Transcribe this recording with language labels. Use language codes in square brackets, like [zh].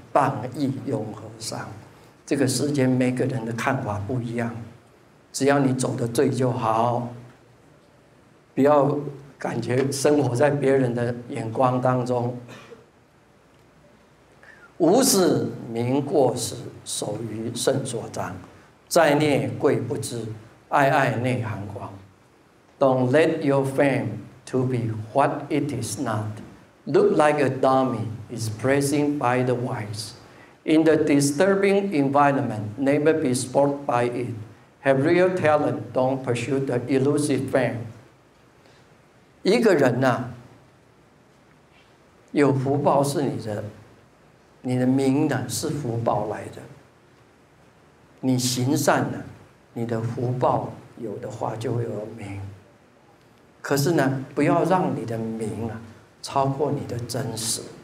[zh] 谤议庸何傷，这个世间每个人的看法不一样，只要你走得对就好，不要感觉生活在别人的眼光当中。无使名过实，守愚聖所臧，在涅貴不緇，曖曖內含光。 [en] Don't let your fame to be what it is not. Look like a dummy is praised by the wise. In the disturbing environment, never be spoiled by it. Have real talent, don't pursue the illusive fame. [zh] 一个人啊，有福报是你的，你的名呢是福报来的。你行善呢，你的福报有的话就会有名。可是呢，不要让你的名啊超过你的真实。